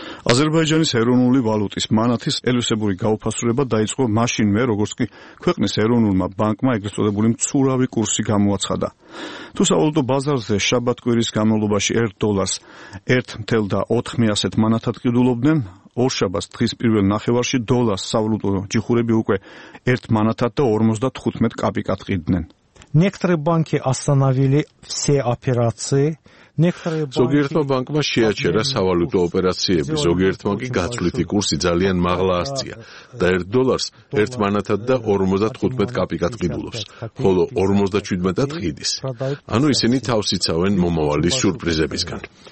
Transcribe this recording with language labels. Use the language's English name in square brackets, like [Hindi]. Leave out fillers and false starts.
[Georgian] აზერბაიჯანის ეროვნული ვალუტის მანათის ელუსებური გაუფასურება დაიწყო მაშინვე, როგორც კი ქვეყნის ეროვნულმა ბანკმა ეგრეთ წოდებული მცურავი კურსი გამოაცხადა. თუ სავალუტო ბაზარზე შაბათკვირის განმავლობაში 1 დოლარს 1.4 მანათად ყიდულობდნენ, ორშაბათს დღის პირველ ნახევარში დოლარს სავალუტო ჯიხურები უკვე 1 მანათად და 55 კაპიკად ყიდნენ. [Russian] Некоторые банки остановили все операции. [Georgian] ზოგიერთმა ბანკმა შეაჩერა სავალუტო ოპერაციები, ზოგიერთმა კი გაცვლითი კურსი ძალიან მაღლა ასწია და 1 დოლარს 1 მანათად და 55 კაპიკად ყიდულობს, ხოლო 57-ად ყიდის. ანუ ისინი თავს იცავენ მომავალი სიურპრიზებისგან.